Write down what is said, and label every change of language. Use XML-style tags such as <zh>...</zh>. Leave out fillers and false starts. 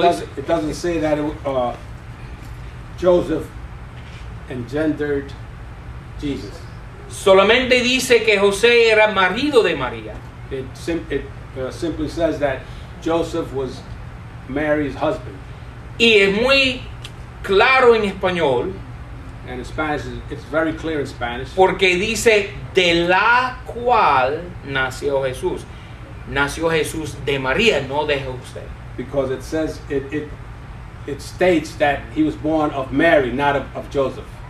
<en>it doesn't say that Joseph engendered Jesus.</en> <es>Solamente dice que José era marido de María.</es> <en>It simply says that Joseph was Mary's husband.</en> <es>Y es muy claro en español.</es> <en>And in Spanish, it's very clear in Spanish.</en> <es>Porque dice, de la cual nació Jesús. Nació Jesús de María, no de José.</es> <en>Because it says, it states that he was born of Mary, not of Joseph.</en>